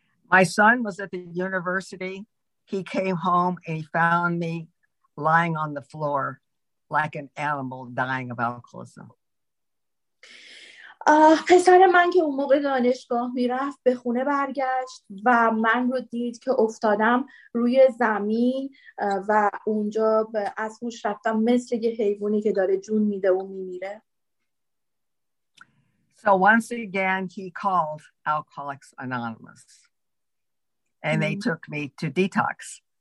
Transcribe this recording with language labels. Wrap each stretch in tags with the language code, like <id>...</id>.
<en>My son was at the university. He came home and he found me lying on the floor like an animal dying of alcoholism.</en> <fa>پسر من که اون موقع دانشگاه میرفت به خونه برگشت و من رو دید که افتادم روی زمین و اونجا از هوش رفتم مثل یه حیوانی که داره جون میده و میمیره.</fa> <en>So once again he called Alcoholics Anonymous. And they took me to detox.</en>